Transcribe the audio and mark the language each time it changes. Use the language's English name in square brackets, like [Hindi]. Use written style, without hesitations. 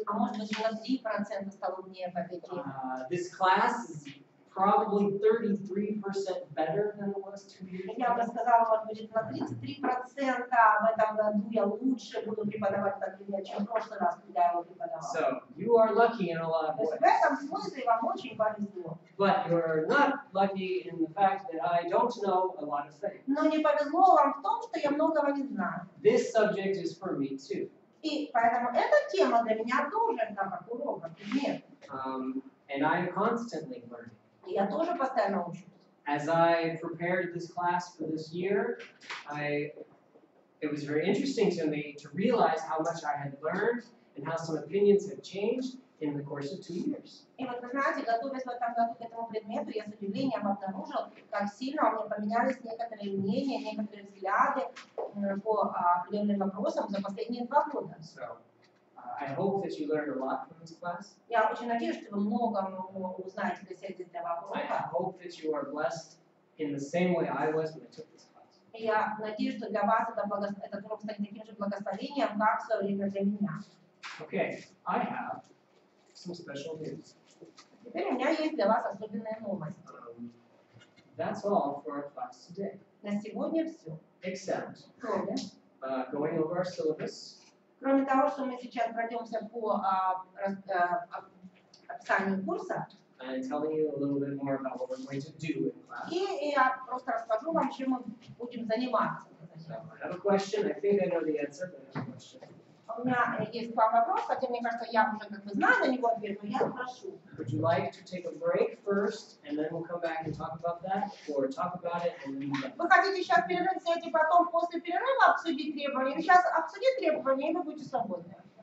[Russian] А может быть, на 3% стал умнее в этой теме. [English] This class is probably 33% better than it was 2 years ago. [Russian] Я бы сказала, может быть, на 33% в этом году я лучше буду преподавать этот предмет, чем в прошлый раз, когда я его преподавал. [English] So, you are lucky in a lot of ways. [Russian] В этом смысле вам очень повезло. [English] But you're not lucky in the fact that I don't know a lot of things. [Russian] Но не повезло вам в том, что я многого не знаю. [English] This subject is for me too. [Russian] И поэтому эта тема для меня тоже как урок, как предмет. [English] And I'm constantly learning. [Russian] Я тоже постоянно учусь. [English] As I prepared this class for this year, it was very interesting to me to realize how much I had learned and how some opinions had changed in the course of 2 years. [Russian] И вот вы знаете, готовясь в этом году к этому предмету, я с удивлением обнаружил, как сильно у меня поменялись некоторые мнения, некоторые взгляды по определенным вопросам за последние 2 года. [English] So, I hope that you learned a lot from this class. [Russian] Я очень надеюсь, что вы много узнаете для себя из этого урока. [English] I hope that you are blessed in the same way I was when I took this class. [Russian] Я надеюсь, что для вас этот урок станет таким же благословением, как в свое время для меня. [English] Okay, I have some special news. [Russian] Теперь у меня есть для вас особенная новость. [English] That's all for our class today. [Russian] На сегодня все. [English] Except, [Russian] кроме, [English] going over our syllabus. [Russian] Кроме того, что мы сейчас пройдемся по описанию курса. [English] And telling you a little bit more about what we're going to do in class. [Russian] И я просто расскажу вам, чем мы будем заниматься. [English] So, I have a question. I think I know the answer, but I have a question. [Russian] У меня есть два вопроса, хотя мне кажется, я уже как бы знаю на него ответ, но я спрошу. [English] Would you like to take a break first, and then we'll come back and talk about that, or talk about it, and then... [Russian] Вы хотите сейчас перерыв взять, и потом после перерыва обсудить требования? Или сейчас обсудить требования, и вы будете свободны?